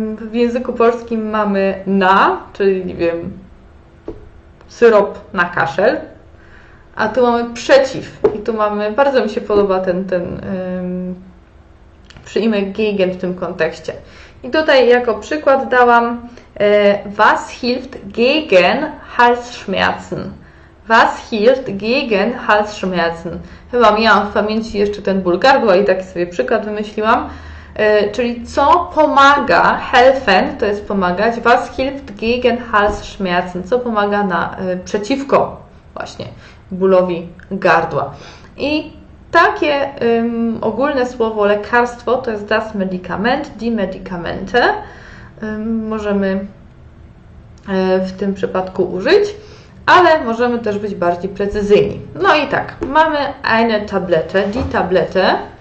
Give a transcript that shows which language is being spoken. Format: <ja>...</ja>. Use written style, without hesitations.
<pl>W języku polskim mamy na, czyli nie wiem, syrop na kaszel, a tu mamy przeciw. I tu mamy, bardzo mi się podoba ten przyimek gegen w tym kontekście. I tutaj jako przykład dałam</pl> <de>Was hilft gegen Halsschmerzen? Was hilft gegen Halsschmerzen?</de> <pl>Chyba miałam w pamięci jeszcze ten ból gardła i taki sobie przykład wymyśliłam. Czyli co pomaga, helfen, to jest pomagać,</pl> <de>Was hilft gegen Halsschmerzen?</de> <pl>Co pomaga na przeciwko właśnie bólowi gardła? I takie ogólne słowo lekarstwo to jest</pl> <de>das Medikament, die Medikamente.</de> <pl>Możemy w tym przypadku użyć, ale możemy też być bardziej precyzyjni. No i tak, mamy eine Tablette, die Tablette.</pl>